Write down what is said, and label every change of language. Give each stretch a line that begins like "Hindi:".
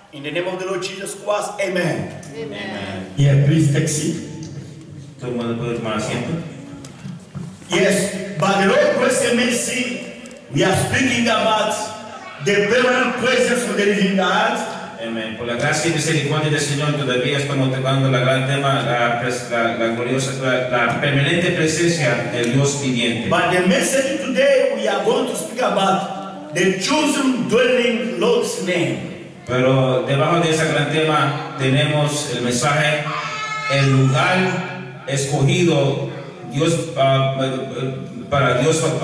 English: In the name of the Lord Jesus Christ, amen. Amen. Amen. Yeah, please take seat.
Spanish: Todo el mundo puede tomar asiento.
English: Yes, by the Lord grace and mercy, we are speaking about the permanent presence of the living God. Amen.
Spanish: Por la gracia y misericordia del Señor, todavía estamos tocando la gran tema, la gloriosa, la permanente presencia del Dios viviente.
English: But the message today, we are going to speak about the chosen dwelling Lord's name.
Spanish: Pero debajo de ese gran tema tenemos el mensaje, el lugar escogido Dios, para Dios.